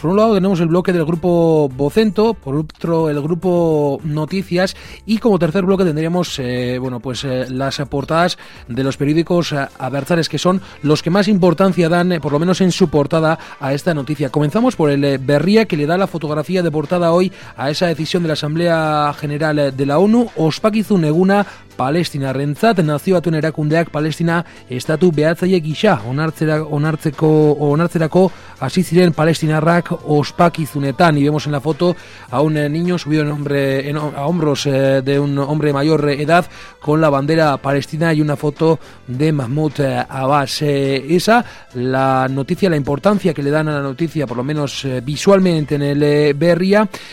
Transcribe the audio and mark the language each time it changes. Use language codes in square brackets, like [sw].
[es] Por un lado tenemos el bloque del grupo Vocento, por otro el grupo Noticias, y como tercer bloque tendríamos las portadas de los periódicos adversarios, que son los que más importancia dan, por lo menos en su portada, a esta noticia. Comenzamos por el Berria, que le da la fotografía de portada hoy a esa decisión de la Asamblea General de la ONU. [eu] Ospakizun eguna Palestina rentzat, nazioatuen erakundeak Palestina estatu behatzaile gisa onartzerako hasi ziren palestinarrak ospakizunetan. [es] Y vemos en la foto a un niño subido a hombros de un hombre mayor edad con la bandera palestina y una foto de Mahmoud Abbas. Esa la noticia, la importancia que le dan a la noticia, por lo menos visualmente, en el Berria.